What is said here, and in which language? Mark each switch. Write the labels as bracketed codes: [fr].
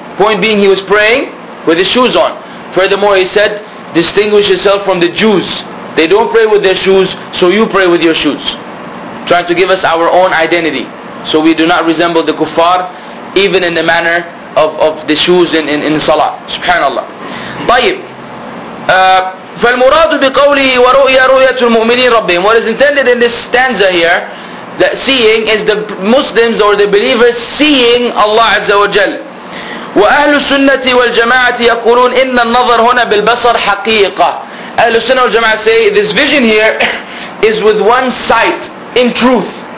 [en] Point being, he was praying with his shoes on. Furthermore, he said, distinguish yourself from the Jews. They don't pray with their shoes, so you pray with your shoes. Trying to give us our own identity. So we do not resemble the kuffar, even in the manner of the shoes in salah. [ar] Subhanallah. طيب. فالمراد بقوله ورؤيا رؤية المؤمنين ربهم. [en] What is intended in this stanza here, that seeing is the Muslims or the believers seeing Allah Azza wa Jal. [ar] وأهل السنة والجماعة يقولون إن النظر هنا بالبصر حقيقة. أهل السنة والجماعة [en] say this vision here is with one sight in truth.